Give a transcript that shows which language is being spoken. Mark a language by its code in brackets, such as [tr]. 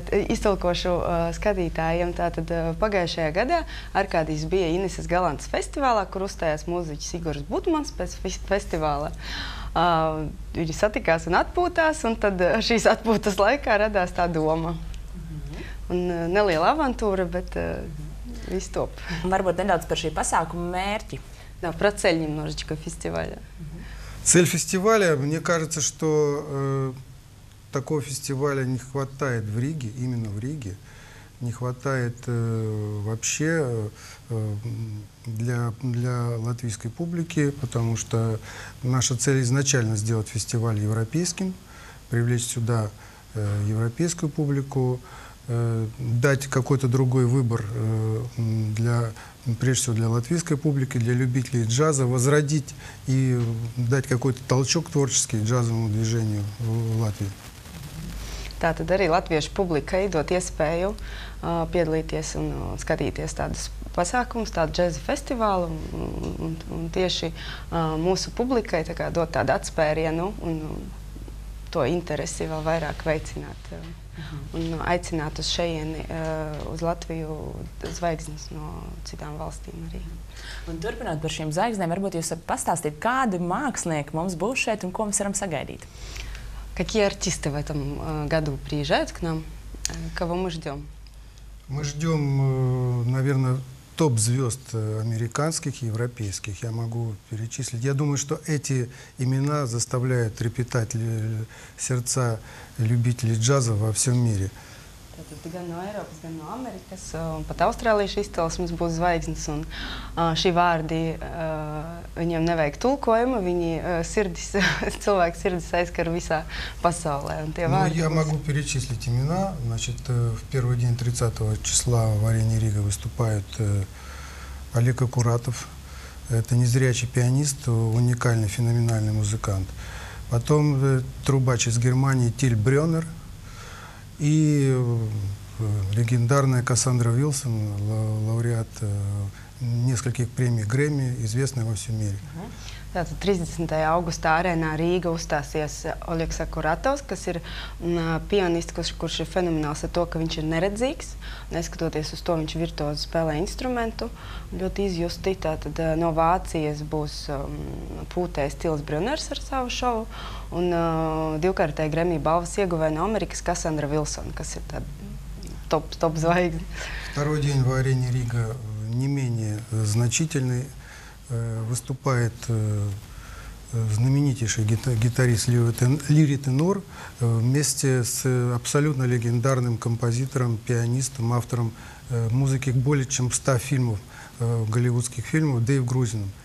[lv] Iztulkošu skatītājiem. Tātad pagājušajā gadā Arkādijs bija Inesas Galantas festivālā, kur uzstājās mūziķis Igors Butmans pēc festivāla. Viņi satikās un atpūtās, un tad šīs atpūtas laikā radās tā doma. Un neliela avantūra, bet viss top. Varbūt nedaudz par šī pasākuma mērķi. Jā, par ceļņiem nožiķiko festivāļa. [ru] Цель фестиваля, мне кажется, что такого фестиваля не хватает в Риге, именно в Риге. Не хватает вообще для латвийской публики, потому что наша цель изначально сделать фестиваль европейским, привлечь сюда европейскую публику, дать какой-то другой выбор для прежде всего для латвийской публики, для любителей джаза, возродить и дать какой-то толчок творческий джазовому движению в Латвии. [lv] Tā tad arī latviešu publikai dot iespēju piedalīties un skatīties tādus pasākumus, tādu džeza festivālu un tieši mūsu publikai tā kā dot tādu atspērienu un to interesi vēl vairāk veicināt un aicināt uz šajieni, uz Latviju zvaigznes no citām valstīm arī. Un turpinot par šiem zvaigznēm, varbūt jūs pastāstīt, kādu mākslinieku mums būs šeit un ko mēs varam sagaidīt? [ru] Какие артисты в этом году приезжают к нам? Кого мы ждем? Мы ждем, наверное, топ-звезд американских и европейских. Я могу перечислить. Я думаю, что эти имена заставляют трепетать сердца любителей джаза во всем мире. [lv] Tātad gan no Eiropas, gan no Amerikas, un pat Austrālijas izcelsmes būs zvaigznes, un šī vārdi, viņiem nevajag tulkojumu, viņi sirdis, cilvēku sirdis aizskar visā pasaulē, un tie vārdi būs. [ru] Ну, я могу перечислить имена, значит, в первый день 30-го числа в арене Рига выступает Олег Акуратов, это незрячий пианист, уникальный, феноменальный музыкант. Потом трубач из Германии Тиль Брёнер, и легендарная Кассандра Вилсон, лауреат нескольких премий Грэмми, известная во всем мире. [lv] Tātad 30. augustā arēnā Rīga uzstāsies Oļegs Akuratovs, kas ir pianists, kurš ir fenomenāls ar to, ka viņš ir neredzīgs. Neskatoties uz to, viņš virtuozi spēlē instrumentu. Ļoti izjusti, tātad no Vācijas būs pūtējs Tils Brunners ar savu šovu. Un divkārtēja Grammy balvas ieguvē no Amerikas Kassandra Wilson, kas ir tāda top zvaigzi. [ru] Второй день в арене Рига не менее значительный. Выступает знаменитейший гитарист Лири Тенор вместе с абсолютно легендарным композитором, пианистом, автором музыки к более чем 100 фильмов, голливудских фильмов, Дэйв Грузином.